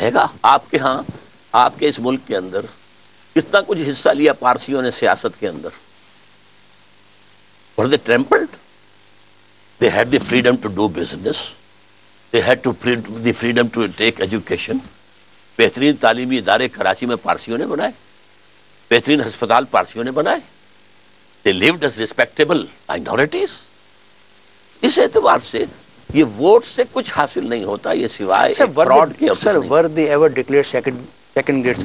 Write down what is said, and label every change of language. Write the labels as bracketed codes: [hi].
[ur] رہے گا. آپ کے ہاں, آپ کے اس ملک کے اندر کتنا کچھ حصہ لیا پارسیوں نے سیاست کے اندر, [en] Were they trampled? They had the freedom to do business, they had to the freedom to take education. [ur] بہترین تعلیمی ادارے کراچی میں پارسیوں نے بنائے, بہترین ہسپتال پارسیوں نے بنائے. [en] They lived as respectable minorities. [ur] اس اعتبار سے یہ ووٹ سے کچھ حاصل نہیں ہوتا, یہ سوائے فراڈ کے. [en] Sir, were they ever declare second grade?